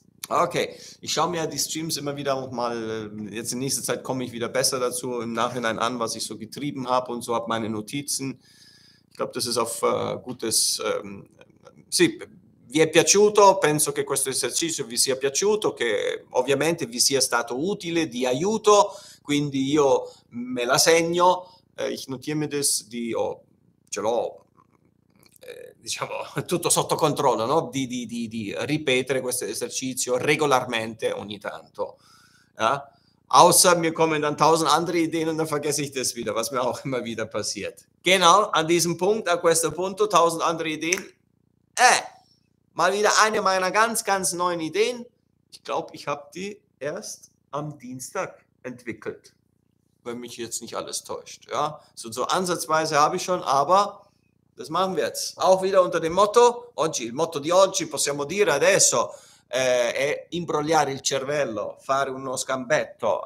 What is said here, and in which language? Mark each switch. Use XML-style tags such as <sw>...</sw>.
<de>Okay, ich schaue mir die Streams immer wieder nochmal, jetzt in nächster Zeit komme ich wieder besser dazu im Nachhinein an, was ich so getrieben habe und so habe meine Notizen. Ich glaube, das ist auf gutes...</de> <it>sì, vi è piaciuto, penso che questo esercizio vi sia piaciuto, che ovviamente vi sia stato utile, di aiuto, quindi io me la segno,</it> <de>ich notiere mir das,</de> <it>ce l'ho... diciamo, tutto sotto controllo, no? Di ripetere questo esercizio regolarmente ogni tanto.</it> <de>Ja? Außer mir kommen dann tausend andere Ideen und dann vergesse ich das wieder, was mir auch immer wieder passiert. Genau, an diesem Punkt,</de> <it>a questo punto,</it> <de>tausend andere Ideen. Mal wieder eine meiner ganz, ganz neuen Ideen. Ich glaube, ich habe die erst am Dienstag entwickelt. Wenn mich jetzt nicht alles täuscht. Ja? So ansatzweise habe ich schon, aber... Das machen wir jetzt. Auch wieder unter dem Motto.</de> <it>Oggi, il motto di oggi, possiamo dire adesso, è imbrogliare il cervello, fare uno scambetto.</it>